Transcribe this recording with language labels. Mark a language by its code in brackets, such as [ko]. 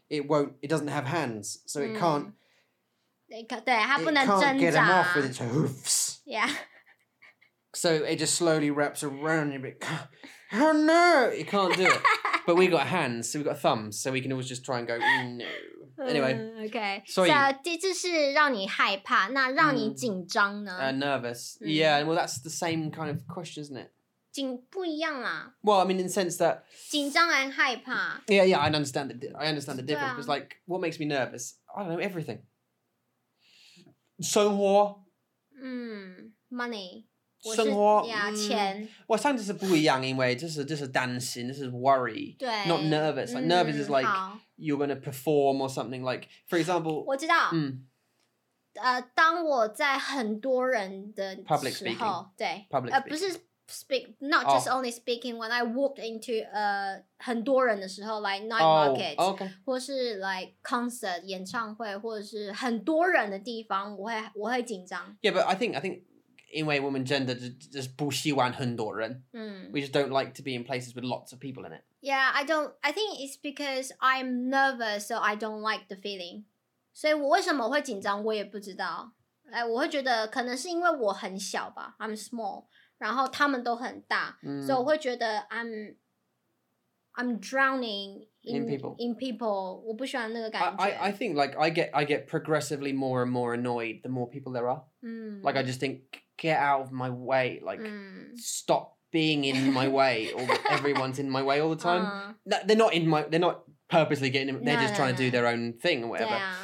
[en] It doesn't have hands, so it can't... [zh] 对，它不能挣扎。It [en] can't get them off with its hoofs. Yeah. So it just slowly wraps around and it goes, oh no, it can't do it. But we've got hands, so we've got thumbs, so we can always just try and go, no. Anyway. Okay. [zh] So 这是让你害怕，那让你紧张呢？ [en] Nervous. Yeah, well, that's the same kind of question, isn't it? [zh] 紧不一样啦。 [en] Well, I mean, in the sense that... [zh] 紧张而害怕。 [en] Yeah, I understand the difference. It's like, what makes me nervous? I don't know, everything. 生活, money, [zh] 生活, 我是, yeah, 钱。我上次是不一样，因为这是担心, [en] this is worry, not nervous. Like nervous is like you're going to perform or something. Like, for example, [zh] 我知道, 当我在很多人的时候, [en] public speaking, [zh] 对, [en] public speaking. [zh] 不是 [en] speak, not just only speaking, when I walked into [zh] 很多人的时候, [en] like night market, okay. [zh] 或是 like concert, 演唱会, 或者是很多人的地方, 我会紧张。 [en] Yeah, but I think, [zh] 因为我们 [en] gender just [zh] 不喜欢很多人, [en] we just don't like to be in places with lots of people in it. Yeah, I think it's because I'm nervous, so I don't like the feeling. [zh] 所以我为什么会紧张, 我也不知道, 我会觉得可能是因为我很小吧, [en] I'm small. [zh] 然后他们都很大，所以我会觉得 I'm [en] I'm drowning in people. [zh] 我不喜欢那个感觉。 [en] I think like I get progressively more and more annoyed the more people there are. Like I just think get out of my way. Like stop being in my way. Or everyone's in my way all the time. They're not purposely getting in, they're just trying to do their own thing or whatever.